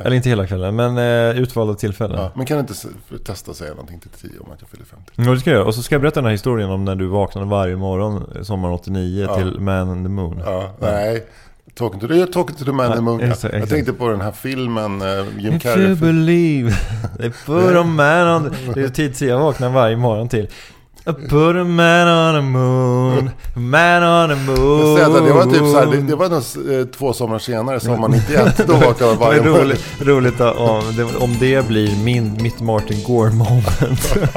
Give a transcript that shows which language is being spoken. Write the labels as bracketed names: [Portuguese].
[Swedish] Eller inte hela kvällen, men utvalda tillfällen. Ja. Men kan du inte testa att säga någonting till 10 om att jag fyller 50? Ja, det ska jag. Och så ska jag berätta den här historien om när du vaknade varje morgon sommaren 89 till Man on the Moon. Ja. Nej. [English] Talking to the man in the moon. Exactly. [Swedish] Jag tänkte på den här filmen Jim [English] If Carrey. If you believe they put a man on the... [Swedish] Det är tid till jag vaknar varje morgon till. [English] I put a man on the moon. Man on the moon. [Swedish] Det var typ så här, det var nog två somrar senare som man inte då vaknade varje morgon. Roligt om det blir mitt Martin Gore moment.